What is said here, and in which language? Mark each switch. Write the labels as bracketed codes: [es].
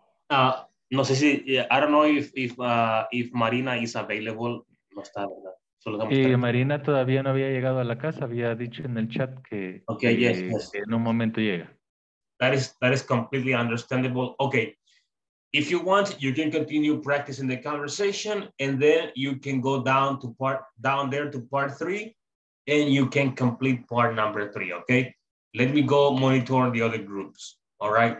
[es] No sé si, [en] I don't know if Marina is available. [es] No está, ¿verdad? Y Marina todavía no había llegado a la casa, había dicho en el chat que, [en] okay, yes, yes. [es] Que en un momento llega. [en] That is completely understandable. Okay, if you want, you can continue practicing the conversation and then you can go down to part, down there to part three and you can complete part number three, okay? Let me go monitor the other groups, all right?